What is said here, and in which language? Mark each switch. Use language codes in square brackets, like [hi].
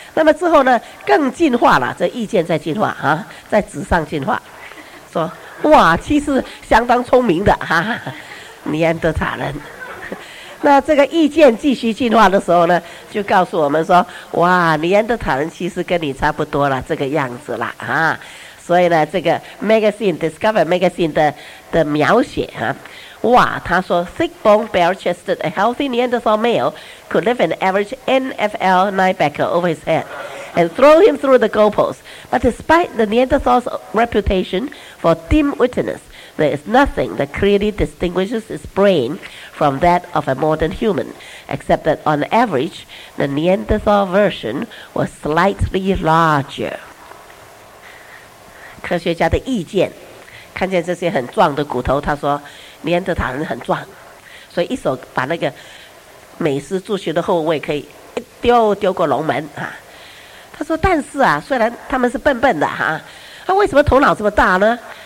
[zh] 那么之后呢，更进化了，这意见在进化啊，在纸上进化，说哇，其实相当聪明的哈，尼安德塔人。那这个意见继续进化的时候呢，就告诉我们说，哇，尼安德塔人其实跟你差不多了，这个样子了啊。所以呢，这个 Magazine Discover Magazine 的描写啊，哇，他说 [en] thick bone bare chested a healthy Neanderthal male could lift an average NFL linebacker over his head and throw him through the goalpost. But despite the Neanderthal's reputation for dim-wittedness, there is nothing that clearly distinguishes his brain from that of a modern human, except that on average, the Neanderthal version was slightly larger. [zh] 科学家的意见，看见这些很壮的骨头，他说尼安德塔人很壮，所以一手把那个美斯驻球的后卫可以一丢丢过龙门啊。他说，但是啊，虽然他们是笨笨的哈，他为什么头脑这么大呢？